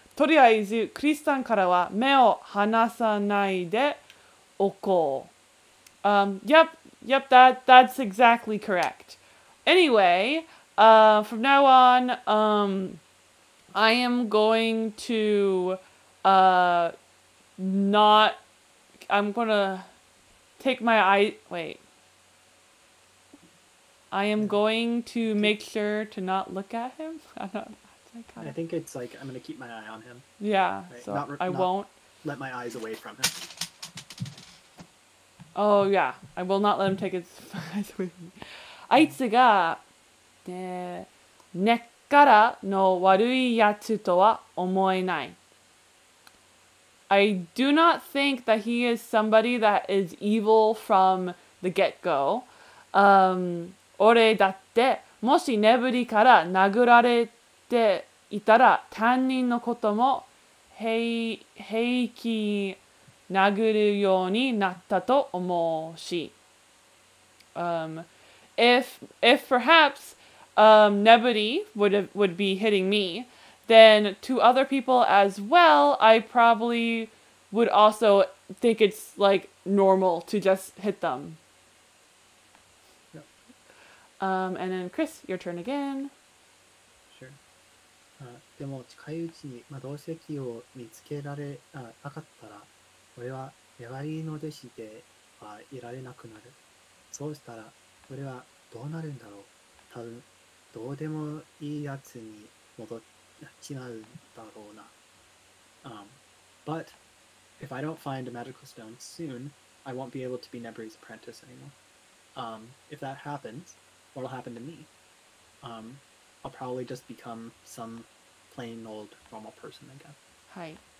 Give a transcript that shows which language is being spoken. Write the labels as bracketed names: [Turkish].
[Japanese] とりあえず、クリスタンからは目を離さないでおこう。 [English] Yep, yep, that's exactly correct. Anyway, from now on, I am going to not... I'm going to take my eye... Wait. I am going to make sure to not look at him. I think it's like, I'm going to keep my eye on him. Yeah, right? So I won't let my eyes away from him. Oh, yeah. I will not let him take his eyes away from me. [Japanese] あいつが根からの悪いやつとは思えない。 [English] I do not think that he is somebody that is evil from the get-go. [Japanese] 俺だって、もしネブリから殴られていたら、担任のことも平気殴るようになったと思うし。 [English] If perhaps, Nebri would be hitting me, then to other people as well, I probably would also think it's like normal to just hit them. And then Chris, your turn again. Sure. [Japanese] でも近いうちに魔導石を見つけられなかったら、俺は粘りの弟子ではいられなくなる。そうしたら、俺はどうなるんだろう。多分どうでもいいやつに戻っちまうんだろうな。 [English] But if I don't find a magical stone soon, I won't be able to be Nebri's apprentice anymore. If that happens. What will happen to me? I'll probably just become some plain old normal person again. Hi.